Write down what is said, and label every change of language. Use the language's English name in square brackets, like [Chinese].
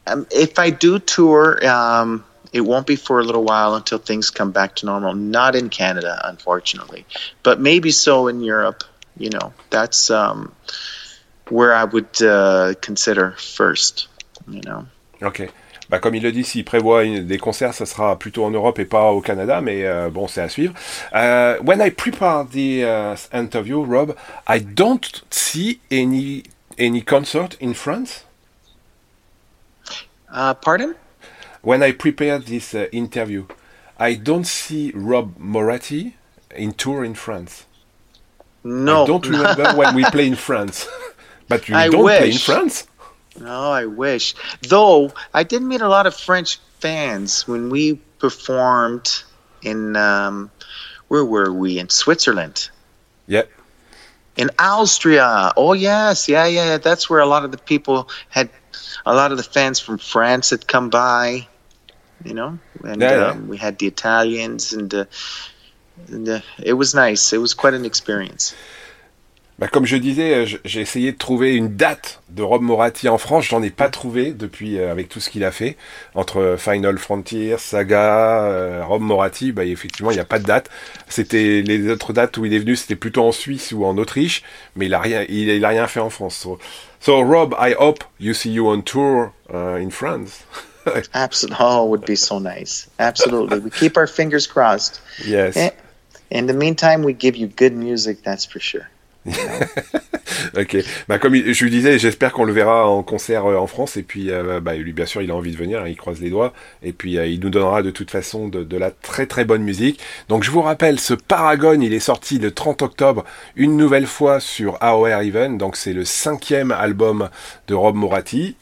[English] If I do tour, it won't be for a little while until things come back to normal. Not in Canada, unfortunately. But maybe so in Europe. You know, that's where I would consider first, you know. Okay. [French] Bah, comme il le dit, s'il prévoit des concerts, ça sera plutôt en Europe et pas au Canada, mais bon, c'est à suivre. [English] When I prepare the interview, Rob, I don't see any concert in France. [French] Pardon? [English] When I prepared this interview, I don't see Rob Moratti in tour in France. No. I don't remember when we play in France. But you I don't wish. Play in France. No, I wish. Though, I did meet a lot of French fans when we performed in, where were we? In Switzerland. Yep. In Austria. Oh, yes. Yeah. That's where a lot of the people had... A lot of the fans from France had come by, you know, and we had the Italians, and it was nice. It was quite an experience. [French] Bah, comme je disais, j'ai essayé de trouver une date de Rob Moratti en France. J'en ai pas trouvé depuis, avec tout ce qu'il a fait, entre Final Frontier, Saga, Rob Moratti. Bah, effectivement, il n'y a pas de date. C'était les autres dates où il est venu, c'était plutôt en Suisse ou en Autriche, mais il a rien fait en France. [English] So Rob, I hope you see you on tour in France. Absolutely, would be so nice. Absolutely, we keep our fingers crossed. Yes. In the meantime, we give you good music, that's for sure. [French] Ok, bah, comme je lui disais, j'espère qu'on le verra en concert en France, et puis bah, lui, bien sûr, il a envie de venir, hein, il croise les doigts, et puis il nous donnera de toute façon de la très très bonne musique. Donc je vous rappelle, ce Paragon, il est sorti le 30 octobre une nouvelle fois sur AOR Even, donc c'est le 5e album de Rob Moratti.